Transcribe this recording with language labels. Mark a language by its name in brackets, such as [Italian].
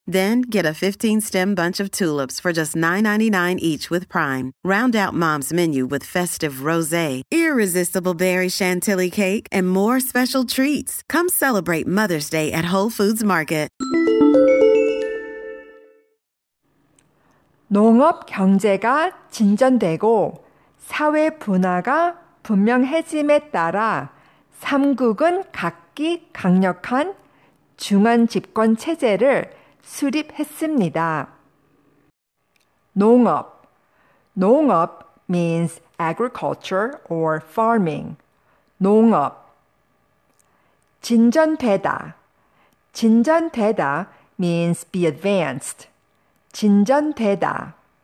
[English] Then get a 15-stem bunch of tulips for just $9.99 each with Prime. Round out Mom's menu with festive rosé, irresistible berry chantilly cake, and more special treats. Come celebrate Mother's Day at Whole Foods Market. [Korean] 농업 경제가 진전되고 사회 분화가 분명해짐에 따라 3국은 각기 강력한 중앙 집권 체제를 수립했습니다. 농업. [English] 농업means agriculture or farming. [Korean] 농업. 진전되다. [English] 진전되다 means be advanced. [Korean] 진전되다.